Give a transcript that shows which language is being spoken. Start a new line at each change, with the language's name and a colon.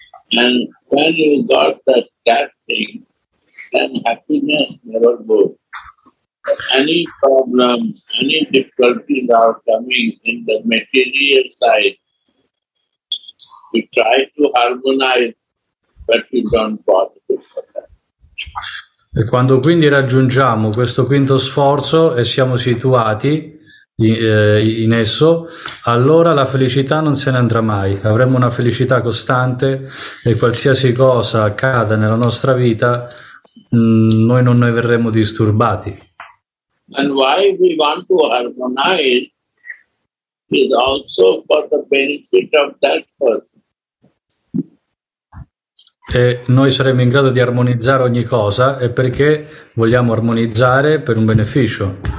English: And when you got that thing, then happiness never goes. Any problem, any difficulties are coming in the material side. You try to harmonize, but you don't bother.
Italian: E quando quindi raggiungiamo questo quinto sforzo e siamo situati in esso, allora la felicità non se ne andrà mai. Avremo una felicità costante e qualsiasi cosa accada nella nostra vita, noi non ne verremo disturbati.
English: And why we want to harmonize is also for the benefit of that person.
Italian: E noi saremo in grado di armonizzare ogni cosa è perché vogliamo armonizzare per un beneficio.